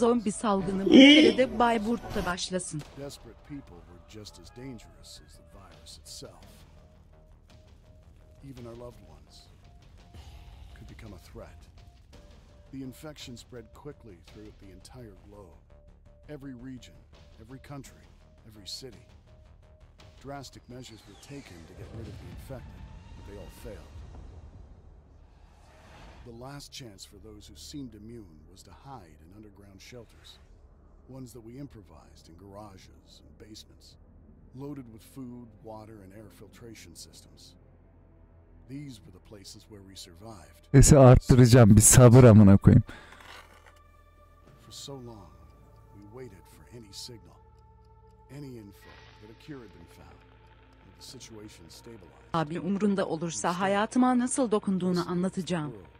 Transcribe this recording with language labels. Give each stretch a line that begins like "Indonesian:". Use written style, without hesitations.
Turkish: Zombi salgını bu kere de Bayburt'ta başlasın.
English: Desperate people were just as dangerous as the virus itself. Even our loved ones could become a threat. The infection spread quickly throughout the entire globe. Every region, every country, every city. Drastic measures were taken to get rid of the infected, but they all failed. The last chance for those who seemed immune was to hide in underground shelters, ones that we improvised in garages and basements, loaded with food, water, and air filtration systems. These were the places where we survived.
Turkish: Sesi arttıracağım, bir sabır amına koyayım.
English: For so long. Waited for any signal, any info that a cure had been found, that the situation stabilized.
Turkish: Abi umrunda olursa hayatıma nasıl dokunduğunu anlatacağım.